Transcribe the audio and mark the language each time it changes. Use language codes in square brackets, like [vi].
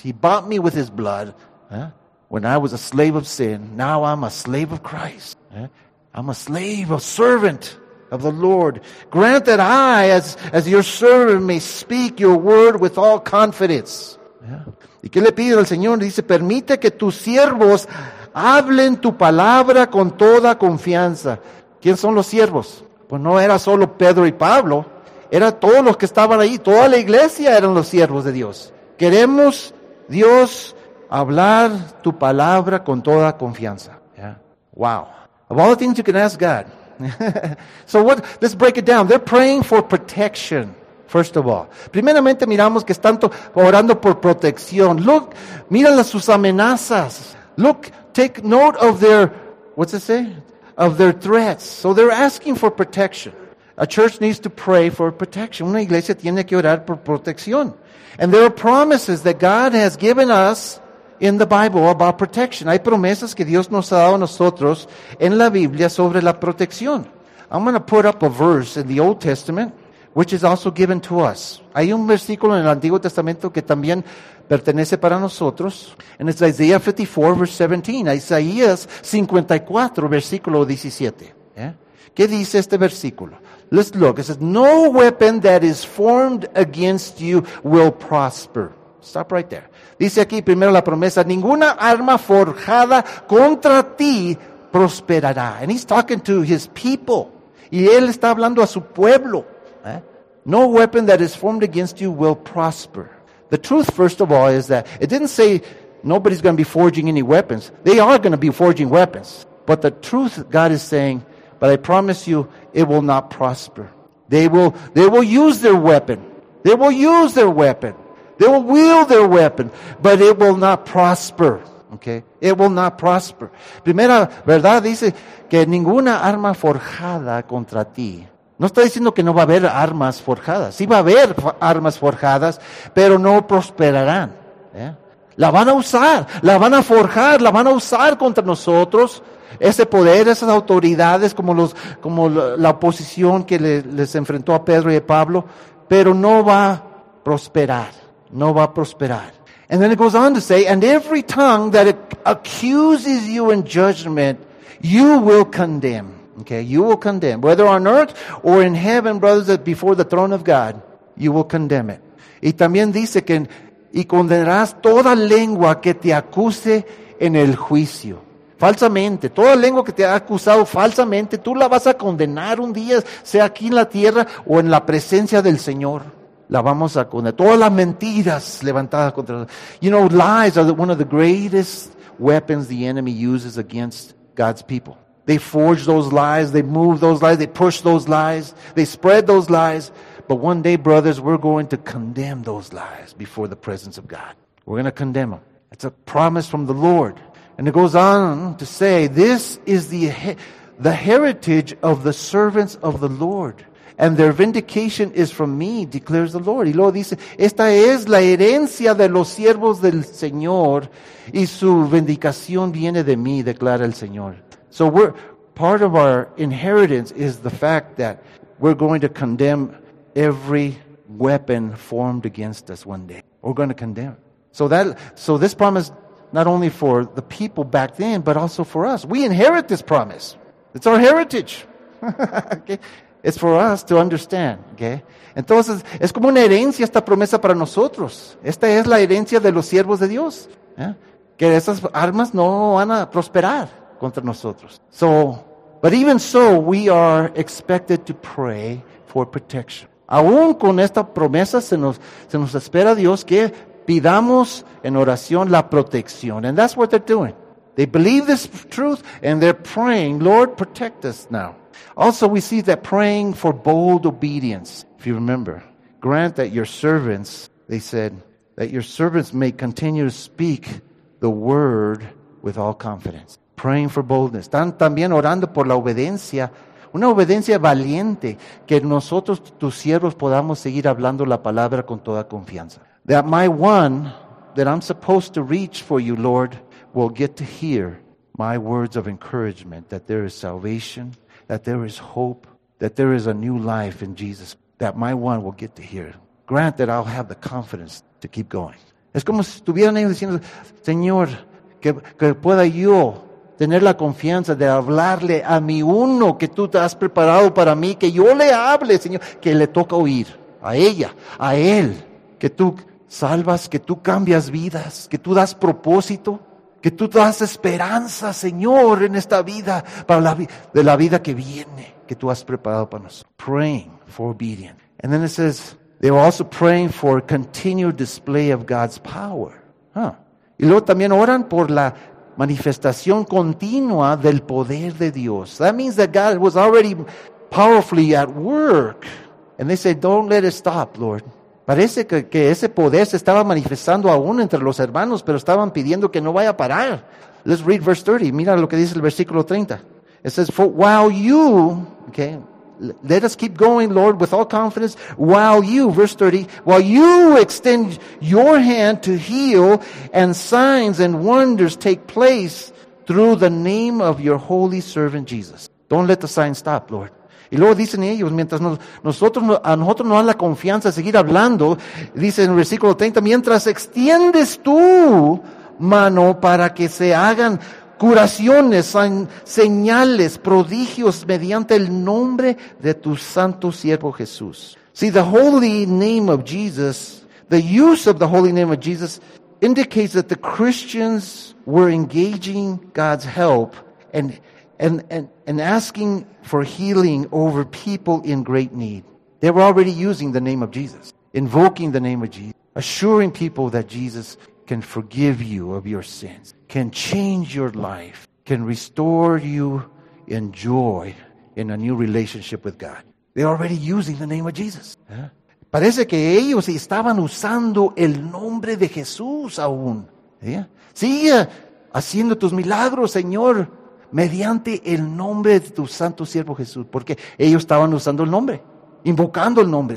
[en] He bought me with his blood. Huh? When I was a slave of sin, now I'm a slave of Christ. Huh? I'm a slave, a servant of the Lord. Grant that I, as your servant, may speak your word with all confidence. [es] Yeah. ¿Y qué le pide al Señor? Dice, permite que tus siervos hablen tu palabra con toda confianza. ¿Quién son los siervos? Pues no era solo Pedro y Pablo, era todos los que estaban ahí, toda la iglesia eran los siervos de Dios. Queremos, Dios, hablar tu palabra con toda confianza. Yeah. Wow. [en] Of all the things you can ask God. So what? Let's break it down. They're praying for protection, first of all. [es] Primeramente miramos que están orando por protección. Look, miren sus amenazas. [en] Look, take note of their, what's it say? Of their threats. So they're asking for protection. A church needs to pray for protection. [es] Una iglesia tiene que orar por protección. [en] And there are promises that God has given us in the Bible about protection. [es] Hay promesas que Dios nos ha dado a nosotros en la Biblia sobre la protección. [en] I'm going to put up a verse in the Old Testament, which is also given to us. [es] Hay un versículo en el Antiguo Testamento que también pertenece para nosotros. [en] And it's Isaiah 54, verse 17. [es] Isaías 54, versículo 17. [en] Yeah. [es] ¿Qué dice este versículo? [en] Let's look. It says, no weapon that is formed against you will prosper. Stop right there. [es] Dice aquí primero la promesa, ninguna arma forjada contra ti prosperará. [en] And he's talking to his people. [es] Y él está hablando a su pueblo. ¿Eh? [en] No weapon that is formed against you will prosper. The truth, first of all, is that it didn't say nobody's going to be forging any weapons. They are going to be forging weapons. But the truth, God is saying, but I promise you, it will not prosper. They will use their weapon. They will use their weapon. They will wield their weapon, but it will not prosper. Okay? It will not prosper. [es] Primera verdad dice que ninguna arma forjada contra ti. No está diciendo que no va a haber armas forjadas. Sí va a haber armas forjadas, pero no prosperarán. ¿Eh? La van a usar, la van a forjar, la van a usar contra nosotros. Ese poder, esas autoridades, como la oposición que les enfrentó a Pedro y a Pablo, pero no va a prosperar. No va a prosperar. [en] And then it goes on to say, and every tongue that accuses you in judgment, you will condemn. Okay, you will condemn. Whether on earth or in heaven, brothers, before the throne of God, you will condemn it. [es] Y también dice que, y condenarás toda lengua que te acuse en el juicio. Falsamente, toda lengua que te ha acusado falsamente, tú la vas a condenar un día, sea aquí en la tierra o en la presencia del Señor. La vamos a condenar. Todas las mentiras levantadas contra nosotros. [en] You know, lies are one of the greatest weapons the enemy uses against God's people. They forge those lies, they move those lies, they push those lies, they spread those lies. But one day, brothers, we're going to condemn those lies before the presence of God. We're going to condemn them. It's a promise from the Lord. And it goes on to say, this is the heritage of the servants of the Lord. And their vindication is from me, declares the Lord. [es] Y luego dice, esta es la herencia de los siervos del Señor, y su vindicación viene de mí, declara el Señor. [en] So we're part of our inheritance is the fact that we're going to condemn every weapon formed against us one day. We're going to condemn. So this promise, not only for the people back then, but also for us. We inherit this promise. It's our heritage. Okay. It's for us to understand, okay? [es] Entonces, es como una herencia esta promesa para nosotros. Esta es la herencia de los siervos de Dios. ¿Eh? Que esas armas no van a prosperar contra nosotros. [en] So, but even so, we are expected to pray for protection. [es] Aún con esta promesa se nos espera a Dios que pidamos en oración la protección. [en] And that's what they're doing. They believe this truth and they're praying, Lord, protect us now. Also, we see that praying for bold obedience. If you remember, grant that your servants, they said, that your servants may continue to speak the word with all confidence. Praying for boldness. [es] Están también orando por la obediencia, una obediencia valiente, que nosotros, tus siervos, podamos seguir hablando la palabra con toda confianza. [en] That my one that I'm supposed to reach for you, Lord, will get to hear my words of encouragement, that there is salvation, that there is hope, that there is a new life in Jesus, that my one will get to hear. Grant that I'll have the confidence to keep going. [es] Es como si estuvieran ellos diciendo, Señor, que pueda yo tener la confianza de hablarle a mi uno que tú te has preparado para mí, que yo le hable, Señor, que le toca oír a ella, a él, que tú salvas, que tú cambias vidas, que tú das propósito, que tú das esperanza, Señor, en esta vida, para la vida que viene. que tú has preparado para nosotros. [en] Praying for obedience. And then it says, they were also praying for continued display of God's power. Huh. [es] Y luego también oran por la manifestación continua del poder de Dios. [en] That means that God was already powerfully at work. And they said, don't let it stop, Lord. [es] Parece que ese poder se estaba manifestando aún entre los hermanos, pero estaban pidiendo que no vaya a parar. [en] Let's read verse 30. [es] Mira lo que dice el versículo 30. [en] It says, for while you, okay, let us keep going, Lord, with all confidence, while you, verse 30, while you extend your hand to heal and signs and wonders take place through the name of your holy servant Jesus. Don't let the sign stop, Lord. [es] Y luego dicen ellos, mientras a nosotros nos dan la confianza de seguir hablando, dice en el versículo 30, mientras extiendes tu mano para que se hagan curaciones, señales, prodigios mediante el nombre de tu santo siervo Jesús. [en] See, the holy name of Jesus, the use of the holy name of Jesus indicates that the Christians were engaging God's help and asking for healing over people in great need. They were already using the name of Jesus, invoking the name of Jesus, assuring people that Jesus can forgive you of your sins, can change your life, can restore you in joy in a new relationship with God. They're already using the name of Jesus. Yeah. [es] Parece que ellos estaban usando el nombre de Jesús aún. Yeah. Sigue haciendo tus milagros, Señor, mediante el nombre de tu santo siervo Jesús. Porque ellos estaban usando el nombre, invocando el nombre.